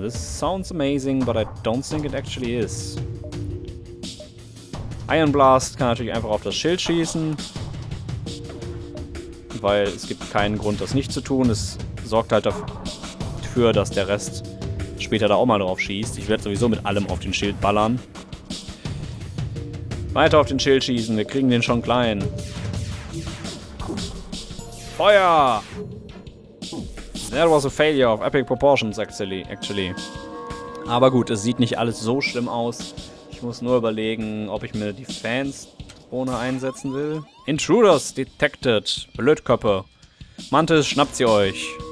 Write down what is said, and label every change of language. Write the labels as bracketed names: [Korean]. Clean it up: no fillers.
[English] This sounds amazing, but I don't think it actually is. [German] Iron Blast kann natürlich einfach auf das Schild schießen. Weil es gibt keinen Grund, das nicht zu tun. Es sorgt halt dafür, dass der Rest später da auch mal drauf schießt. Ich werde sowieso mit allem auf den Schild ballern. Weiter auf den Schild schießen, wir kriegen den schon klein. Feuer! [English] That was a failure of epic proportions, actually. [German] Aber gut, es sieht nicht alles so schlimm aus. Ich muss nur überlegen, ob ich mir die Fans-Drohne einsetzen will. [English] Intruders detected. [German] Blödköppe. Mantis, schnappt sie euch.